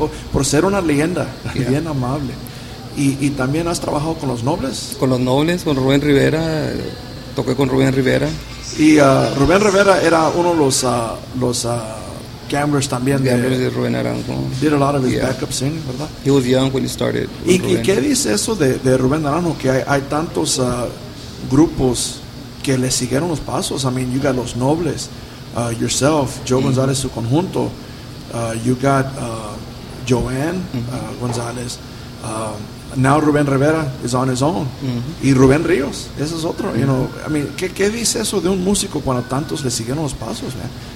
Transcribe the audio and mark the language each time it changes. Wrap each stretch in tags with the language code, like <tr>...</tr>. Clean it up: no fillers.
<es>Por ser una leyenda, bien amable. Y también has trabajado con los Nobles. Con los Nobles, con Rubén Rivera. Toqué con Rubén Rivera. Y Rubén Rivera era uno de los gamblers también. Gamblers de Rubén Naranjo.</es> <en>Did a lot of his backup singing, ¿verdad? He was young when he started.</en> <es>¿Y qué dice eso de Rubén Naranjo? Que hay tantos grupos que le siguieron los pasos.</es> <en>I mean, you got Los Nobles, yourself, Joe González, su conjunto. You got Joanne González. Now Rubén Rivera is on his own.</en> <es>Y Rubén Ríos, ese es otro. You know, I mean, ¿qué dice eso de un músico cuando tantos le siguieron los pasos, man?</es>